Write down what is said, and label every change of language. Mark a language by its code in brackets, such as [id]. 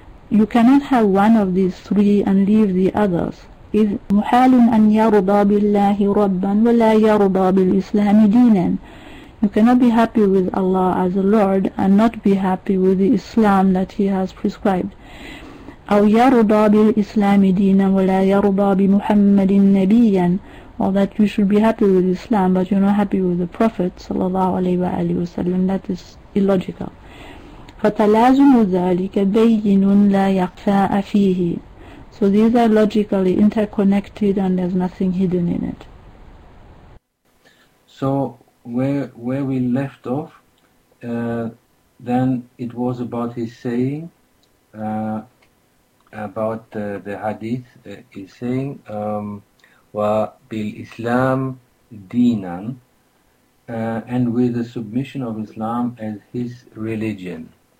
[en] You cannot have one of these three and leave the others. [ar] إِذْ مُحَالٌ أَن يَرُضَى بِاللَّهِ رَبًّا وَلَا يَرُضَى بِالْإِسْلَامِ دِينًا. [en] You cannot be happy with Allah as a Lord and not be happy with the Islam that He has prescribed. [ar] أو يرضى بالإسلام دينا ولا يرضى بمحمد نبيا. [en] Or that you should be happy with Islam but you're not happy with the Prophet [ar] صلى الله عليه وآله وسلم. [en] That is illogical. [ar] فتلازم ذلك بين لا يخفى فيه. [en] So these are logically interconnected and there's nothing hidden in it. So where we left off, then it was about his saying, about the hadith, he's saying, [ar] wa bil Islam dinan, [en] and with the submission of Islam as his religion.